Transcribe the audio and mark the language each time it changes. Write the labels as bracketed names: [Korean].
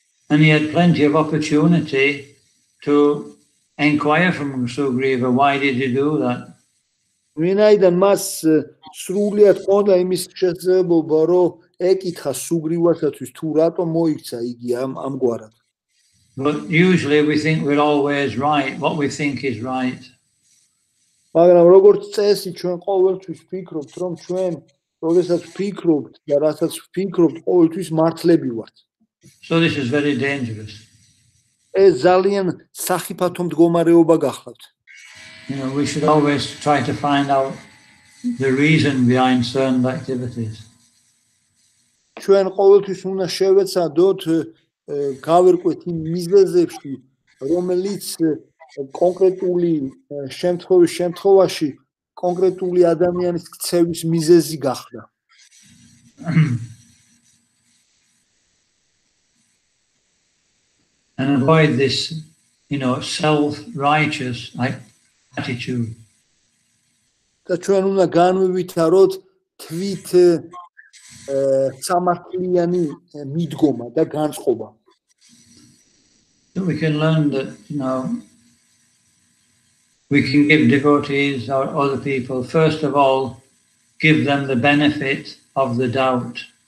[English] And he had plenty of opportunity to inquire from Sugriva why did he do that. [Georgian] ვინაიდან მას სრულად ჰქონდა იმის შესაძლებლობა, რომ ეკითხა სუგრივასაც თუ რატო მოიქცა იგი ამგვარად. [English] But usually we think we're always right, what we think is right. [Georgian] მაგრამ როგორც წესი ჩვენ ყოველთვის ვფიქრობთ, რომ ჩვენ როდესაც ვფიქრობთ და რასაც ვფიქრობთ, ყოველთვის მართლები ვართ. [English] So this is very dangerous. [Georgian] ეს ძალიან სახიფათო მდგომარეობა გახლავთ. [English] You know, we should always try to find out the reason behind certain activities. [Georgian] ჩვენ ყოველთვის უნდა შევეცადოთ გავერკვეთ იმ მიზეზებში, რომელიც კონკრეტული შემთხვევაში კონკრეტული ადამიანის ქცევის მიზეზი გახდა. [English] And avoid this, you know, self-righteous attitude. [Georgian] და ჩვენ უნდა განვივითაროთ თვით სამართლიანი მიდგომა და განწყობა. [English] So we can learn that, you know, we can give devotees or other people, first of all, give them the benefit of the doubt.